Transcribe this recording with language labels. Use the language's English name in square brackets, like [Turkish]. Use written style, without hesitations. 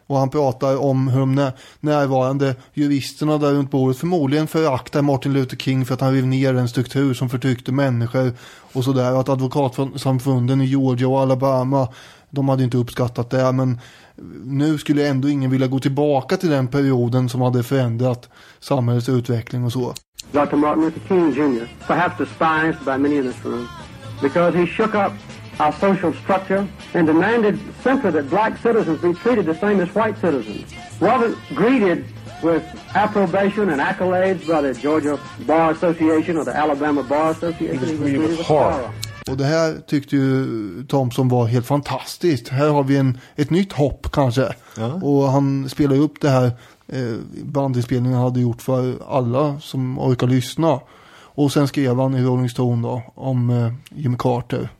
[Swedish] Och han pratar om hur de närvarande juristerna där runt bordet förmodligen föraktar Martin Luther King för att han rev ner en struktur som förtryckte människor och sådär. Att advokatsamfunden i Georgia och Alabama, de hade inte uppskattat det. Men nu skulle ändå ingen vilja gå tillbaka till den perioden som hade förändrat samhällets utveckling och så. [English] Dr. Martin Luther King Jr., perhaps despised by many in this room, because he shook up our social structure and demanded simply that black citizens be treated the same as white citizens. Wasn't greeted with approbation and accolades by the Georgia Bar Association or the Alabama Bar Association. He was treated with horror. [Swedish] Och det här tyckte ju Thompson var helt fantastiskt. Här har vi ett nytt hopp kanske. Ja. Och han spelar ju upp det här bandinspelningen hade gjort för alla som orkar lyssna. Och sen skrev han i Rolling Stone då om Jimmy Carter.